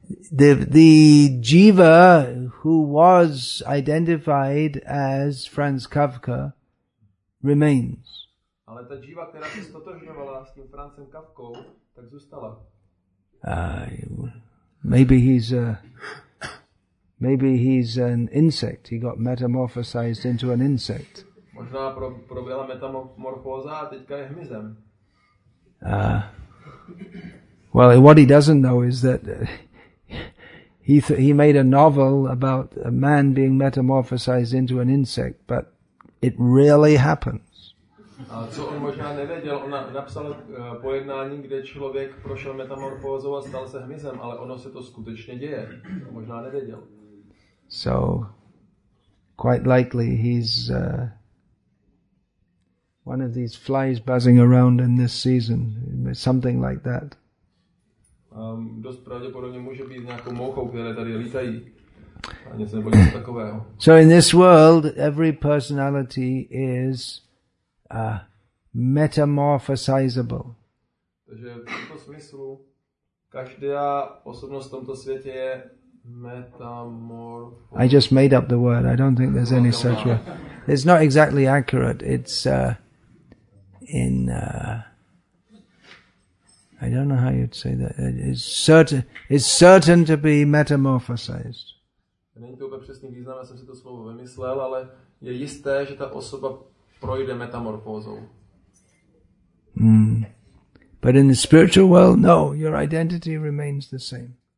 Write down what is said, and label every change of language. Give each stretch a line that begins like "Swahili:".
English: The jiva who was identified as Franz Kafka remains.
Czech: Ale ta jiva, která se stotožňovala s tím Francem Kafkou, tak zůstala.
English: Maybe he's an insect. He got metamorphosized into an insect.
Czech: Možná proběhla metamorfóza a teďka je hmyzem.
English: Well, what he doesn't know is that he made a novel about a man being metamorphosized into an insect, but it really happened.
Czech: A co on možná nevěděl, on napsal pojednání, kde člověk prošel metamorfózou a stal se hmyzem, ale ono se to skutečně děje. On možná nevěděl.
English: So, quite likely he's one of these flies buzzing around in this season, something like that.
Czech: Dost pravděpodobně může být nějakou mouchou, které tady lítají. A něco nebo takového.
English: So in this world, every personality is metamorphosizable.
Czech: Takže v tomto smyslu každá osobnost v tomto světě je metamorfosizable.
English: I just made up the word. I don't think there's any such word. It's not exactly accurate. It's I don't know how you'd say that. It's certain to be metamorphosized.
Czech: Není to úplně přesný význam, já jsem si to slovo vymyslel, ale je jisté, že ta osoba projde metamorfózou. Mm.
English: But in the spiritual world, no, your identity remains the same.